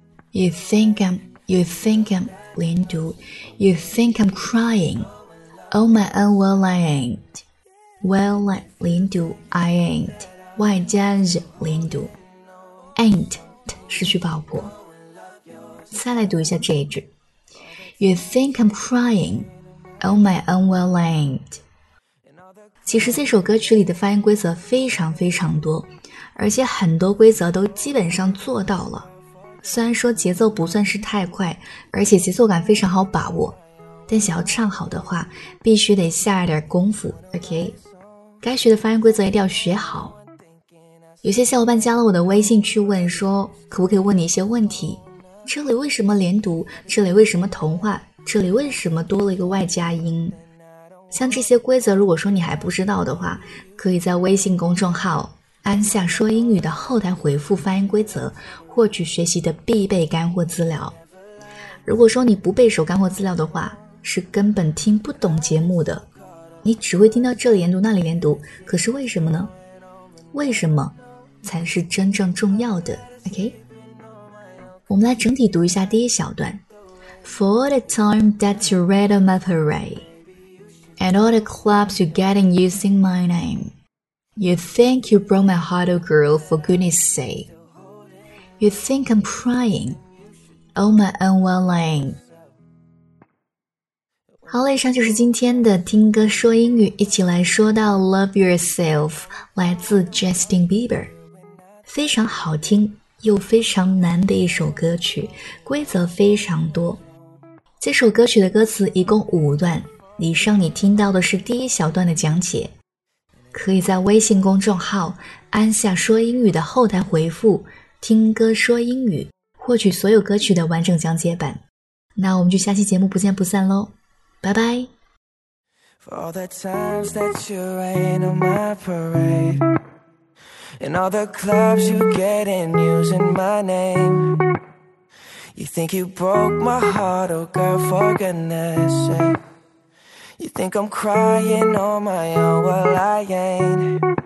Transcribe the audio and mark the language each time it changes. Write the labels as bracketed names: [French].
[English] You think I'm 连读 You think I'm crying on my own well I ain't Well I 连读 I ain't 外加 z 连读 Ain't [Chinese] 失去爆破再来读一下这一句 [English] You think I'm crying on my own well I ain't [Chinese] 其实这首歌曲里的发音规则非常非常多，而且很多规则都基本上做到了。虽然说节奏不算是太快，而且节奏感非常好把握，但想要唱好的话，必须得下一点功夫 ,OK? 该学的发音规则一定要学好。有些小伙伴加了我的微信去问说，可不可以问你一些问题，这里为什么连读，这里为什么同化，这里为什么多了一个外加音。像这些规则如果说你还不知道的话，可以在微信公众号安夏说英语的后台回复发音规则，获取学习的必备干货资料。如果说你不背熟干货资料的话，是根本听不懂节目的，你只会听到这里连读那里连读。可是为什么呢？为什么才是真正重要的 ,OK? 我们来整体读一下第一小段。 [English] For the time that you read on my parade, and all the clubs you're getting using my name, you think you broke my heart, oh girl, for goodness sake. You think I'm crying on my own wedding. [Chinese] 好了，以上就是今天的听歌说英语，一起来说到 Love Yourself, 来自 Justin Bieber。非常好听又非常难的一首歌曲，规则非常多。这首歌曲的歌词一共五段，以上你听到的是第一小段的讲解，可以在微信公众号安夏说英语的后台回复听歌说英语，获取所有歌曲的完整讲解版。那我们就下期节目不见不散咯，拜拜。 [English] For all the times that you rain on my parade, and all the clubs you get in using my name, you think you broke my heart, oh girl, for goodness sake. You think I'm crying on my own, well I ain't.